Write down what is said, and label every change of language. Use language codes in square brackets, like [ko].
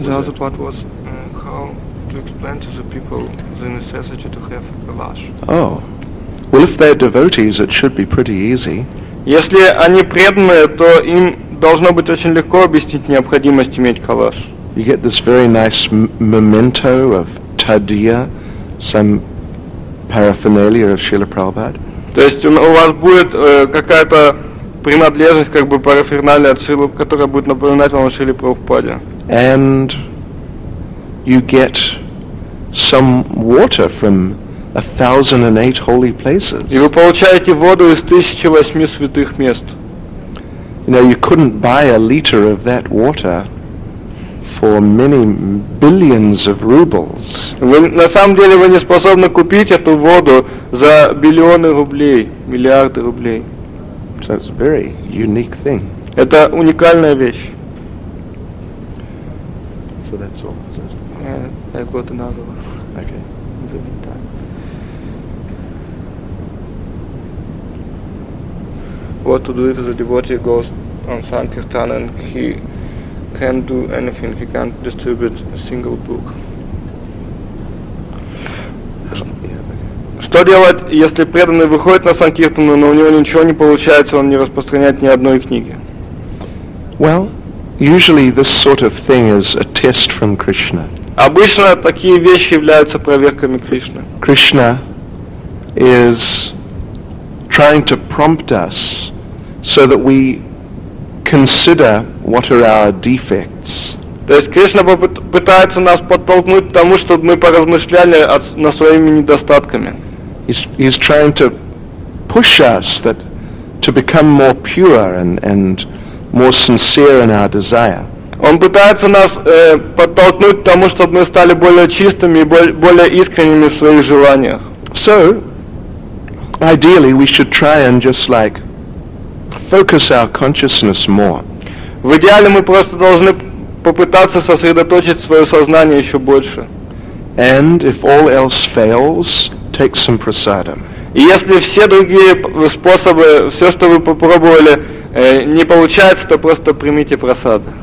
[en] The other part was how to explain to the people the necessity to have a kalash. Oh, well, if they're devotees, it should be pretty easy. [ru] Если они преданные, то им должно быть очень легко объяснить необходимость иметь калаш. [en] You get this very nice memento of Tadiya, some paraphernalia of Srila Prabhupada. [ru] То есть у вас будет какая-то принадлежность, как бы параферналия от Шрилы, которая будет напоминать вам о Шриле Прабхупаде. [en] And you get some water from 1008 holy places. [ru] И вы получаете воду из 1008 святых мест. [en] You know, you couldn't buy a liter of that water for many billions of rubles. [ru] На самом деле вы не способны купить эту воду за миллионы рублей, миллиарды рублей. [en] So it's a very unique thing. [ru] Это уникальная вещь. [en] So that's all. I've got another one. Okay. In the meantime. what to do if the devotee goes on Sankirtan and he can't do anything, he can't distribute a single book. [ru] Что делать, если преданный выходит на Санкиртану, но у него ничего не получается, он не распространяет ни одной книги? [en] Well, usually this sort of thing is a test from Krishna. [ru] Обычно такие вещи являются проверками Кришны. [en] Krishna is trying to prompt us so that we consider what are our defects. [ru] То есть Кришна пытается нас подтолкнуть к тому, чтобы мы поразмышляли над своими недостатками. [en] He's trying to push us that to become more pure and more sincere in our desire. [ru] Он пытается нас подтолкнуть к тому, чтобы мы стали более чистыми и более искренними в своих желаниях. [en] So, ideally, we should try and just like focus our consciousness more. [ru] В идеале мы просто должны попытаться сосредоточить свое сознание еще больше. [en] And if all else fails, take some prasadam. [ru] Если все другие способы, все, что вы попробовали, не получается, то просто примите прасад.